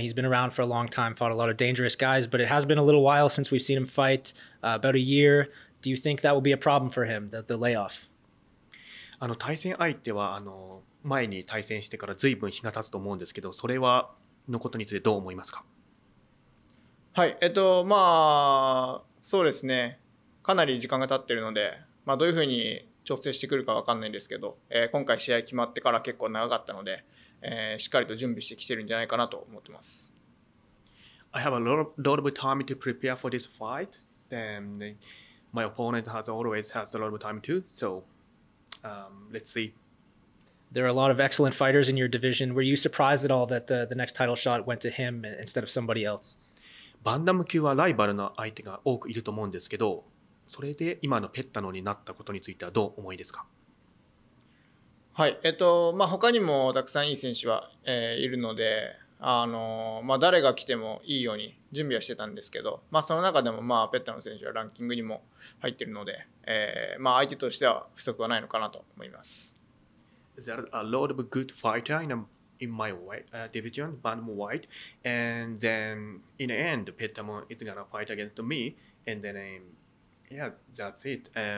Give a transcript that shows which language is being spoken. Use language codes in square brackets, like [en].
[en] He's been around for a long time, fought a lot of dangerous guys, but it has been a little while since we've seen him fight, about a year. Do you think that will be a problem for him, the layoff? [ja] 対戦相手は前に対戦してから随分日が経つと思うんですけど、それはのことについてどう思いますか？はい、まあそうですね、かなり時間が経っているので、まあ、どういうふうに調整してくるか分かんないんですけど、今回試合決まってから結構長かったので、しっかりと準備してきてるんじゃないかなと思ってます。 [en] I have a lot of time to prepare for this fight and my opponent has always had a lot of time too, so let's see. There are a lot of excellent fighters in your division. Were you surprised at all that the next title shot went to him instead of somebody else? [ja] バンダム級はライバルの相手が多くいると思うんですけど、それで今のペッタノになったことについてはどう思いですか？はい、まあ、他にもたくさんいい選手は、いるので、まあ、誰が来てもいいように準備はしてたんですけど、まあ、その中でも、まあ、ペッタノ選手はランキングにも入っているので、まあ、相手としては不足はないのかなと思います。 [en] Is there a lot of good fighter in my division, bantamweight, and then in the end, Petchtanong is gonna fight against me, and then yeah, that's it.